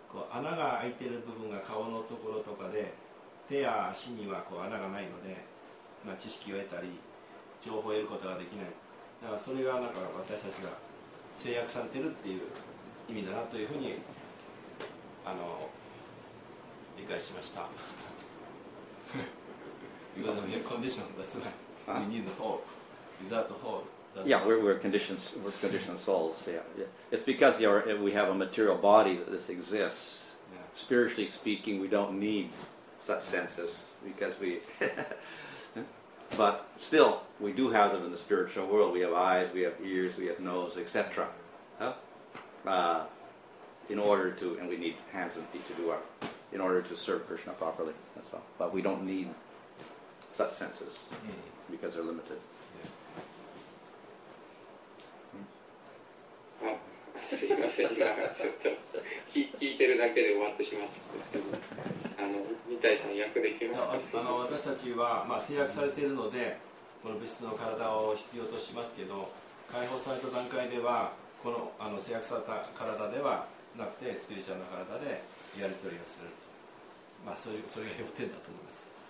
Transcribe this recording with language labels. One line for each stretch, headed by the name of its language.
Japanese: 穴が開いている部分が顔のところとかで手や足にはこう穴がないので、知識を得たり情報を得ることができない。だからそれがなんか私たちが制約されているっていう意味だなというふうに理解しました。
English: Because we are conditioned, that's why we need hope. Without hope. Yeah, we're conditioned souls. Yeah. It's because we have a material body that this exists. Yeah. Spiritually speaking, we don't need such senses because we. But still, we do have them in the spiritual world. We have eyes, we have ears, we have nose, etc. And we need hands and feet to do our, in order to serve Krishna properly. That's all. But we don't need such senses because they're limited.
Japanese: すいませんが、ちょっと聞いてるだけで終わってしまったんですけど、2対3役できますか？私たちは、制約されているので、この物質の体を必要としますけど、解放された段階では、この制約された体ではなくて、スピリチュアルな体でやり取りをする、それが要点だと思います。